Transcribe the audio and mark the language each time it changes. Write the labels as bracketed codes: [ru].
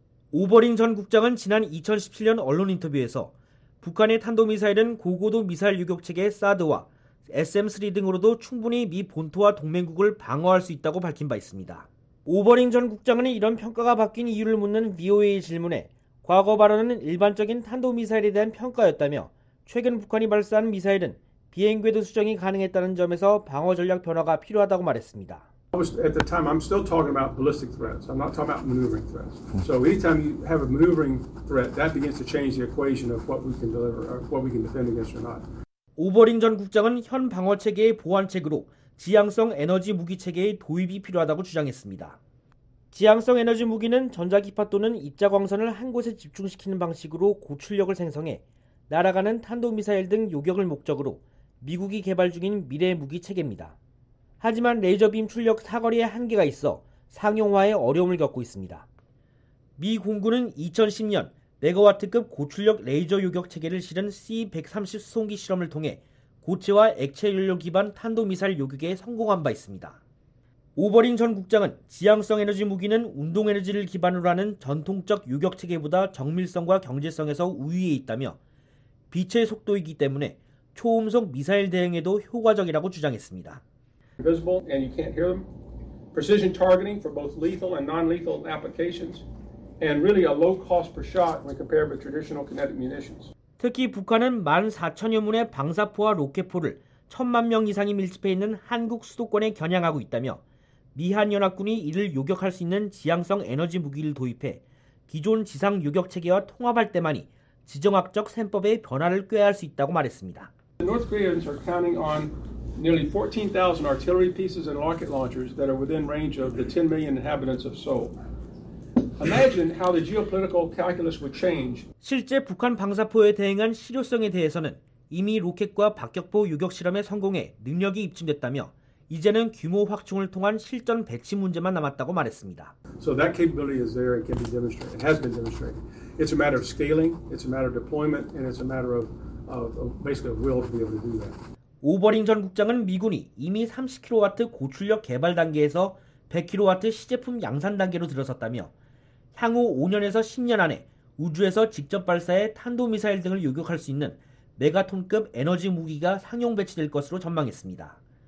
[ko] 우버링 전 국장은 지난 2017년 언론 인터뷰에서 북한의 탄도미사일은 고고도 미사일 요격체계 사드와 SM-3 등으로도 충분히 미 본토와 동맹국을 방어할 수 있다고 밝힌 바 있습니다. 우버링 전 국장은 이런 평가가 바뀐 이유를 묻는 VOA 질문에 과거 발언은 일반적인 탄도미사일에 대한 평가였다며 최근 북한이 발사한 미사일은 비행궤도 수정이 가능했다는 점에서 방어 전략 변화가 필요하다고 말했습니다. [en] At the time, I'm still talking about ballistic threats. I'm not talking about maneuvering threats. So anytime you have a maneuvering threat, that begins to change the equation of what we can deliver, or what we can defend against or not. [ko] 우버링 전 국장은 현 방어 체계의 보완책으로 지향성 에너지 무기 체계의 도입이 필요하다고 주장했습니다. 지향성 에너지 무기는 전자기파 또는 입자광선을 한 곳에 집중시키는 방식으로 고출력을 생성해 날아가는 탄도미사일 등 요격을 목적으로 미국이 개발 중인 미래 무기 체계입니다. 하지만 레이저빔 출력 사거리에 한계가 있어 상용화에 어려움을 겪고 있습니다. 미 공군은 2010년 메가와트급 고출력 레이저 요격 체계를 실은 C-130 수송기 실험을 통해 고체와 액체 연료 기반 탄도미사일 요격에 성공한 바 있습니다. 우버링 전 국장은 지향성 에너지 무기는 운동 에너지를 기반으로 하는 전통적 요격 체계보다 정밀성과 경제성에서 우위에 있다며 빛의 속도이기 때문에 초음속 미사일 대응에도 효과적이라고 주장했습니다. [en] Invisible and you can't hear them. Precision targeting for both lethal and non-lethal applications and really a low cost per shot when compared with traditional kinetic munitions. [ko] 특히 북한은 14,000여 문의 방사포와 로켓포를 1,000만 명 이상이 밀집해 있는 한국 수도권에 겨냥하고 있다며 미한연합군이 이를 요격할 수 있는 지향성 에너지 무기를 도입해 기존 지상 요격 체계와 통합할 때만이 지정학적 셈법의 변화를 꾀할 수 있다고 말했습니다. [en] The North Koreans are counting on nearly 14,000 artillery pieces and rocket launchers that are within range of the 10 million inhabitants of Seoul. Imagine how the geopolitical calculus would change. [ko] 실제 북한 방사포에 대응한 실효성에 대해서는 이미 로켓과 박격포 요격 실험에 성공해 능력이 입증됐다며 이제는 규모 확충을 통한 실전 배치 문제만 남았다고 말했습니다. [en] So that capability is there and can be demonstrated. It has been demonstrated. It's a matter of scaling, it's a matter of deployment, and it's a matter of basically of will to be able to do that. [ko] 우버링 전 국장은 미군이 이미 30kW 고출력 개발 단계에서 100kW 시제품 양산 단계로 들어섰다며 향후 5년에서 10년 안에 우주에서 직접 발사해 탄도미사일 등을 요격할 수 있는 메가톤급 에너지 무기가 상용 배치될 것으로 전망했습니다.